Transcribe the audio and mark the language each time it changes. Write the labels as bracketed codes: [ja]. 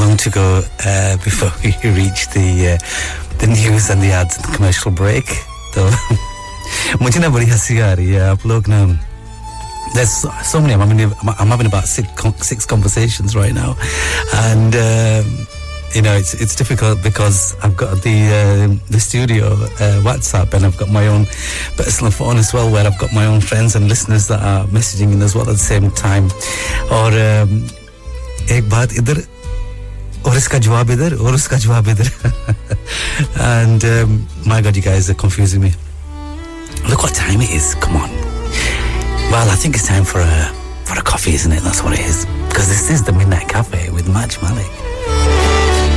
[en] go before we reach the news and the ads and the commercial break. [hi] So, मुझे ना बड़ी हंसी आ रही है आप लोग ना. [en] There's so many. I'm having about six conversations right now, and you know it's difficult because I've got the studio WhatsApp and I've got my own personal phone as well, where I've got my own friends and listeners that are messaging in as well at the same time. [hi] Or एक बात इधर और इसका जवाब इधर और उसका जवाब इधर. [en] And my God, you guys are confusing me. Look what time it is. Come on. Well, I think it's time for a coffee, isn't it? That's what it is. Because this is the Midnight Cafe with Maj Malik.